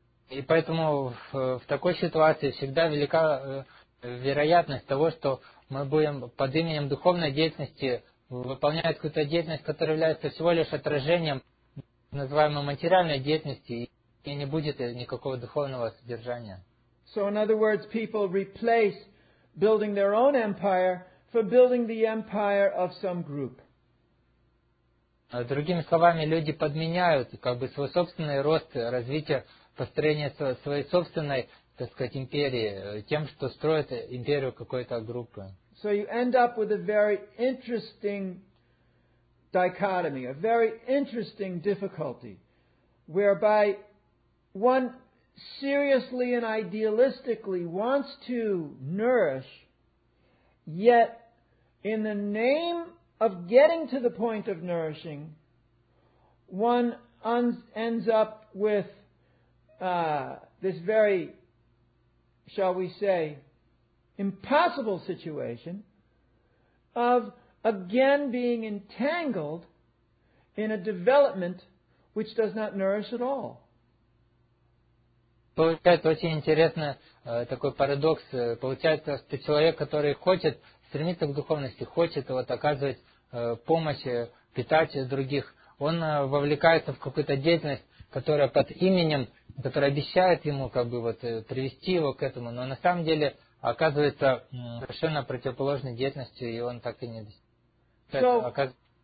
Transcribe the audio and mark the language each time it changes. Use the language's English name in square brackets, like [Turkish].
[Russian] И поэтому в такой ситуации всегда велика вероятность того, что мы будем под именем духовной деятельности выполнять какую-то деятельность, которая является всего лишь отражением называемой материальной деятельности, и не будет никакого духовного содержания. [English] So, in other words, people replace building their own empire for building the empire of some group. [Russian] Другими словами, люди подменяют как бы свой собственный рост, развитие, построение своей собственной, так сказать, империи, тем, что строят империю какой-то группы. [English] So you end up with a very interesting dichotomy, a very interesting difficulty, whereby one seriously and idealistically wants to nourish, yet in the name of getting to the point of nourishing, one ends up with this very, shall we say, impossible situation of again being entangled in a development which does not nourish at all. [Russian] Получается очень интересный такой парадокс. Получается, что человек, который хочет стремиться к духовности, хочет вот оказывать помощь, питать других, он вовлекается в какую-то деятельность, которая под именем, который обещает ему как бы вот привести его к этому, но на самом деле оказывается совершенно противоположной деятельностью, и он так и не достигает.